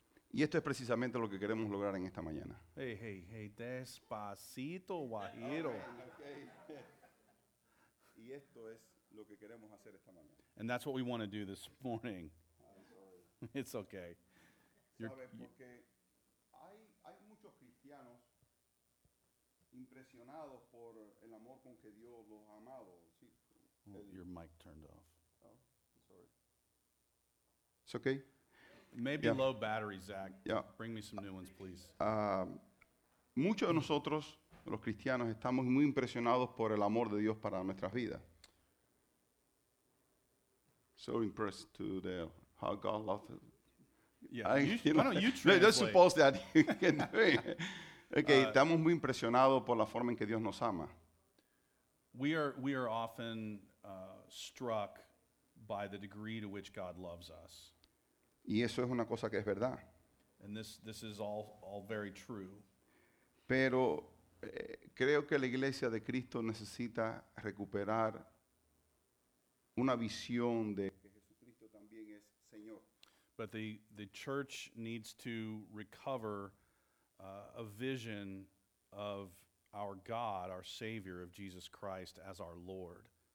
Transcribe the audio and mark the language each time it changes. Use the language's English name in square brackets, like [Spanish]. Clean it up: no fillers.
[Spanish] Y esto es precisamente lo que queremos lograr en esta mañana. Hey, despacito, guajiro. [English] Okay. [Spanish] Y esto es lo que queremos hacer esta mañana. [English] And that's what we want to do this morning. It's okay. [Spanish] Porque hay muchos cristianos impresionados por el amor con que Dios los ha amado. [English] Your mic turned off. Oh, sorry. It's okay. Maybe yeah. Low battery, Zach. Yeah. Bring me some new ones, please. [Spanish] Muchos de nosotros, los cristianos, estamos muy impresionados por el amor de Dios para nuestras vidas. [English] So impressed to the how God loves. Yeah. Why don't you translate? Let's suppose that you can do it. Okay. [Spanish] Estamos muy impresionados por la forma en que Dios nos ama. [English] We are often struck by the degree to which God loves us. [Spanish] Y eso es una cosa que es verdad. [English] And this is all very true. [Spanish] Pero creo que la iglesia de Cristo necesita recuperar una visión de que Jesucristo también es Señor. [English] But the church needs to recover a vision of our God, our Savior, of Jesus Christ as our Lord.